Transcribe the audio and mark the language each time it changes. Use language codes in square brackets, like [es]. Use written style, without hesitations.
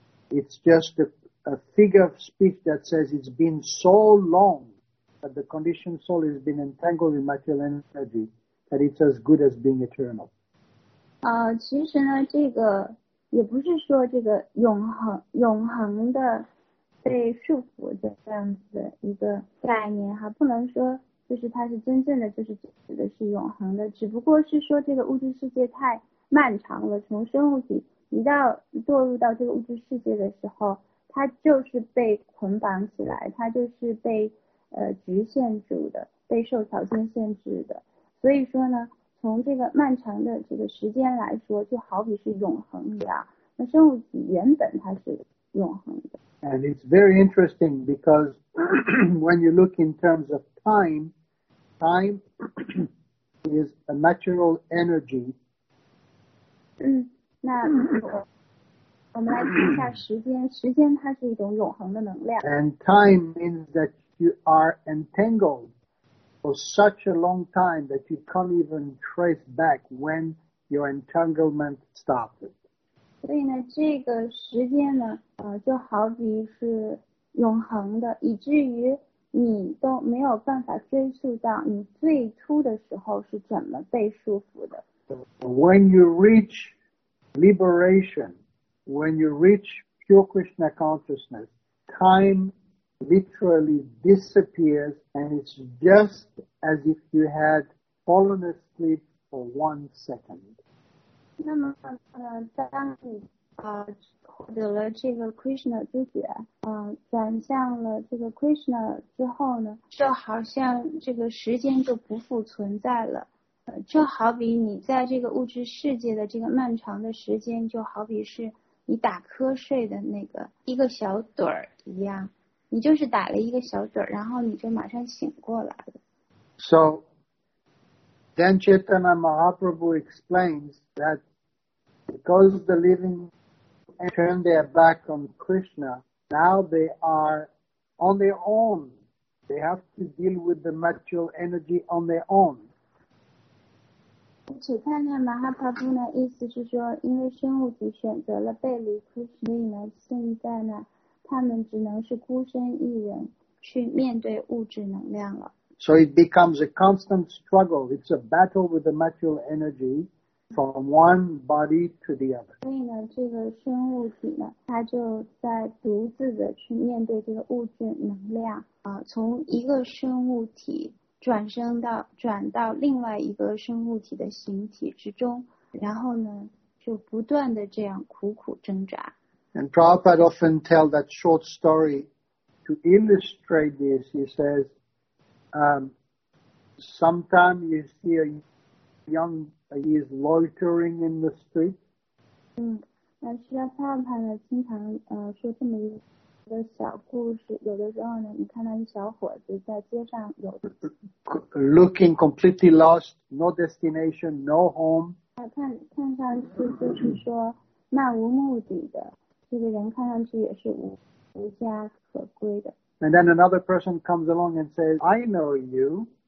[en] It's just a figure of speech that says it's been so longthat the conditioned soul has been entangled in material energy, that it's as good as being eternal. [zh] 其实呢，这个也不是说这个永恒的被束缚的这样子的一个概念哈，不能说就是它是真正的就是指的是永恒的，只不过是说这个物质世界太漫长了，从生物体一到堕入到这个物质世界的时候，它就是被捆绑起来，它就是被局限住的，被受条件限制的。所以说呢，从这个漫长的这个时间来说，就好比是永恒一样。那生物体原本它是永恒的。 [en] And it's very interesting because when you look in terms of time, time is a material energy. [zh] 那我们来听一下时间，时间它是一种永恒的能量。 [en] And time means that. You are entangled for such a long time that you can't even trace back when your entanglement started. [zh] 所以呢，这个时间呢，就好比是永恒的，以至于你都没有办法追溯到你最初的时候是怎么被束缚的。 [en] When you reach liberation, when you reach pure Krishna consciousness, time. Literally disappears, and it's just as if you had fallen asleep for 1 second. [zh] 那么，当你获得了这个 Krishna 之觉，转向了这个 Krishna 之后呢，就好像这个时间就不复存在了。就好比你在这个物质世界的这个漫长的时间，就好比是你打瞌睡的那个一个小盹儿一样。你就是打了一个小盹，然后你就马上醒过来了。 [en] So, then Chaitanya Mahaprabhu explains that because the living turn their back on Krishna, now they are on their own. They have to deal with the material energy on their own. [zh] Chaitanya Mahaprabhu 呢，意思是说，因为生物体选择了背离 Krishna 呢，现在呢。他们只能是孤身一人去面对物质能量了。 [en] So it becomes a constant struggle. It's a battle with the material energy from one body to the other. [zh] 所以呢，这个生物体呢，它就在独自的去面对这个物质能量啊，从一个生物体转到另外一个生物体的形体之中，然后呢，就不断的这样苦苦挣扎。 [en] And Prabhupada often tell that short story to illustrate this. He says,sometimes you see a young, he is loitering in the street. [zh] 嗯，那释迦帕帕呢，经常说这么一个小故事。有的时候呢，你看到一小伙子在街上有 [en] looking completely lost, no destination, no home. [zh] 看上去就是说漫无目的的，这个人看上去也是无家可归的。 [en] And then another person comes along and says, I know you.